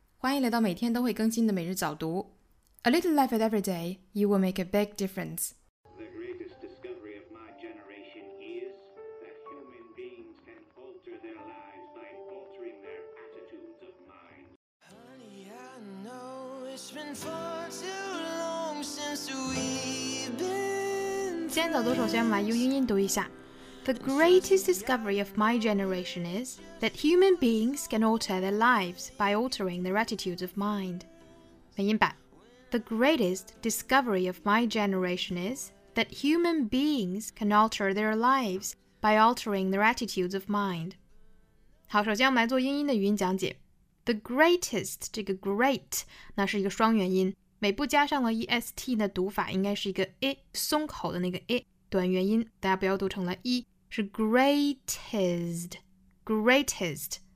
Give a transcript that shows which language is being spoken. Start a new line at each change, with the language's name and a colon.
Chinese: 欢迎来到每天都会更新的每日早读。
English: A little life at every day, you will make a big difference. The greatest discovery of my generation is that human beings can alter their lives by altering their attitudes of mind. Honey, I know it's been far too long since we've been.
Chinese: 今天早读首先我们来用英音读一下。
English: The greatest discovery of my generation is that human beings can alter their lives by altering their attitudes of mind.
Chinese: 美音版
English: The greatest discovery of my generation is that human beings can alter their lives by altering their attitudes of mind.
Chinese: 好，首先我们来做英音的语音讲解。
English: The greatest, 这个 great,
Chinese: 那是一个双元音。每步加上了 est 的读法应该是一个 i, 松口的那个 i。短元音大家不要读成了一是 greatest
English: greatest